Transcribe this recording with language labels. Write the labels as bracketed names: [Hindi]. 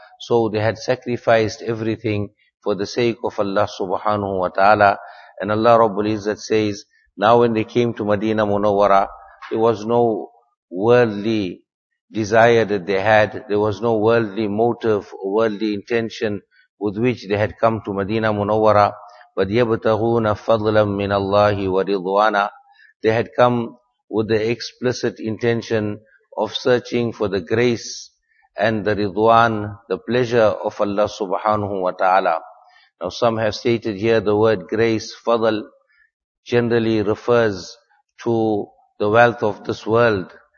[English] So they had sacrificed everything for the sake of Allah subhanahu wa ta'ala. And Allah Rabbul Izzat says, now when they came to Medina Munawwara, there was no worldly desire that they had. There was no worldly motive or worldly intention with which they had come to Medina Munawwara. [Arabic] But يَبْتَغُونَ فَضْلًا مِنَ اللَّهِ وَرِضْوَانًا. [English] They had come with the explicit intention of searching for the grace and the ridwan, the pleasure of Allah subhanahu wa ta'ala. Now some have stated here the word grace, fadl, generally refers to the wealth of this world.